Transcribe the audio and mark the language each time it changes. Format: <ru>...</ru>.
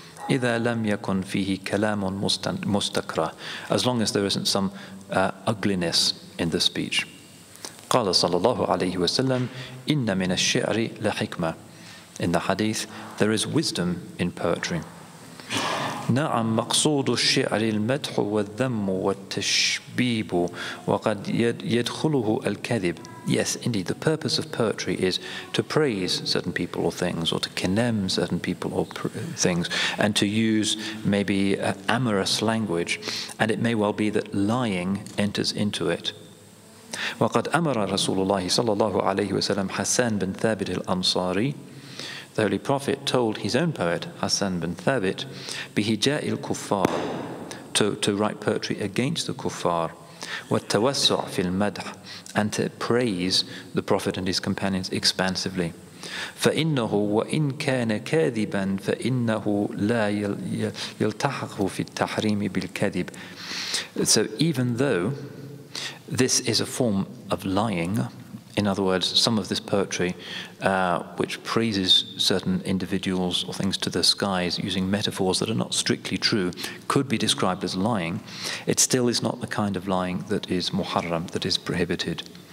<ar>إِذَا لَمْ يَكُنْ فِيهِ كَلَامٌ مُسْتَكْرَى.</ar> <en>As long as there isn't some ugliness in the speech.</en> <ar>قَالَ صَلَى اللَّهُ عَلَيْهِ وَسَلَّمْ إِنَّ مِنَ الشِّعْرِ لَحِكْمَةٌ.</ar> <en>In the hadith, there is wisdom in poetry.</en> <ar>نعم مقصود الشعر المدح والذم والتشبيب وقد يدخله الكذب.</ar> <en>Yes, indeed, the purpose of poetry is to praise certain people or things, or to condemn certain people or things, and to use maybe amorous language. And it may well be that lying enters into it.</en> <ar>وقد أمر رسول الله صلى الله عليه وسلم حسان بن ثابت الأنصاري.</ar> <en>The Holy Prophet told his own poet, Hassan bin Thabit,</en> <ar>بِهِجَاءِ الْكُفَّارِ,</ar> <en>to write poetry against the kuffar,</en> <ar>وَالتَّوَسُّعْ فِي الْمَدْحِ,</ar> <en>and to praise the Prophet and his companions expansively.</en> <ar>فَإِنَّهُ وَإِنْ كَانَ كَاذِبًا فَإِنَّهُ لَا يَلْتَحَقُ فِي التَّحْرِيمِ بِالْكَذِبِ.</ar> <en>So even though this is a form of lying, in other words, some of this poetry which praises certain individuals or things to the skies using metaphors that are not strictly true could be described as lying, it still is not the kind of lying that is muharram, that is prohibited.</en>